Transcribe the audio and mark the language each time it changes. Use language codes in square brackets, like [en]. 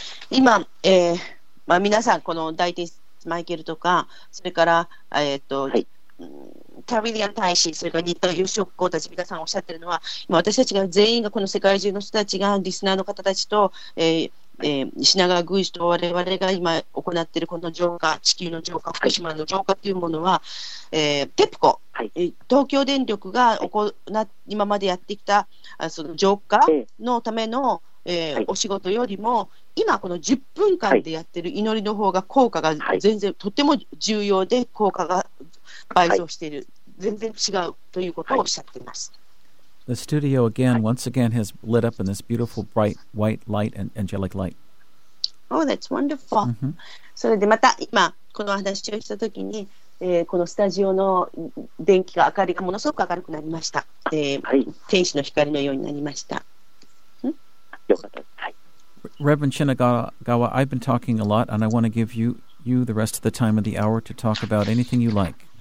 [ja] 今、まあ、皆さんこの大天使マイケルとかそれから、キャビリアン大使それから新田義雄機構たち皆さんおっしゃってるのは今私たちが全員がこの世界中の人たちがリスナーの方たちと、品川宮司と我々が今行っているこの浄化地球の浄化福島の浄化というものは、TEPCO、東京電力が今までやってきたその浄化のための、お仕事よりも今この10分間でやってる祈りの方が効果が全然とても重要で効果が倍増している、はい、全然違うということをおっしゃっています。 [en] The studio again,、はい、once again has lit up in this beautiful bright white light and angelic light. Oh, that's wonderful.、Mm-hmm. [ja] それでまた今この話をしたときに、このスタジオの電気が明かりがものすごく明るくなりました。はい、天使の光のようになりました。よかった。 [en] Reverend Shinagawa, I've been talking a lot, and I want to give you the rest of the time of the hour to talk about anything you like.